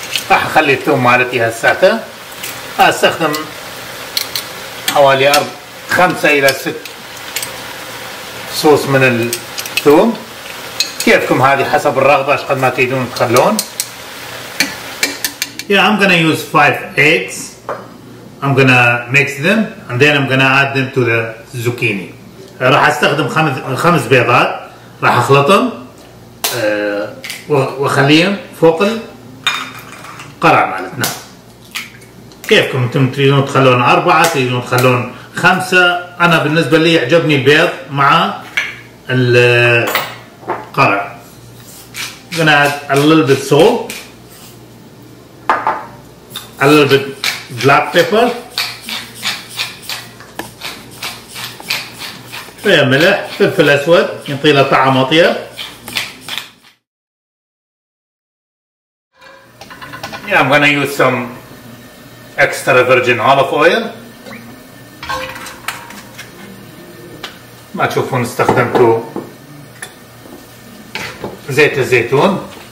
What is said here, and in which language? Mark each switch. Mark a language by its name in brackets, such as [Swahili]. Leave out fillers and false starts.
[Arabic] راح اخلي الثوم مالتي هسه استخدم حوالي 5 إلى 6 صوص من الثوم كيفكم هذه حسب الرغبة قد ما تريدون تخلون. [English] Yeah, I'm gonna use 5 eggs. I'm gonna mix them and then I'm gonna add them to the zucchini. [Arabic] راح استخدم 5 بيضات راح اخلطهم واخليهم فوق القرع مالتنا. كيفكم انتم تريدون تخلون 4 تريدون تخلون 5. انا بالنسبة لي يعجبني البيض مع القرع. [English] Gonna add a little bit salt, a little bit black pepper, شوية ملح, فلفل اسود يعطي له طعم اطيب. Yeah, I'm gonna use some extra virgin olive oil. [Arabic] ما تشوفون استخدمتوا زيت الزيتون.